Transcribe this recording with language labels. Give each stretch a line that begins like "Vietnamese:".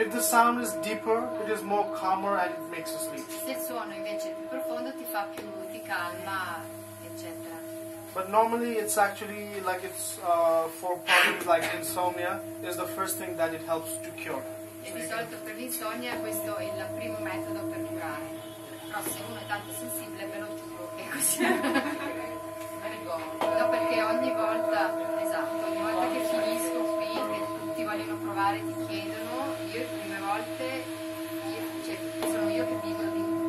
English: If the sound is deeper, it is more calmer and it makes you sleep.
Italian: Se il suono invece è più profondo, ti fa più, ti calma, eccetera.
English: But normally it's actually like it's for problems like insomnia is the first thing that it helps to cure.
Italian: E di solito per l'insonnia questo è il primo metodo per curare. Però se uno è tanto sensibile, ve lo giuro, è così. No, perché ogni volta, esatto, ogni volta che finisco qui, che tutti vogliono provare, ti chiedono, io le prime volte, cioè sono io che dico di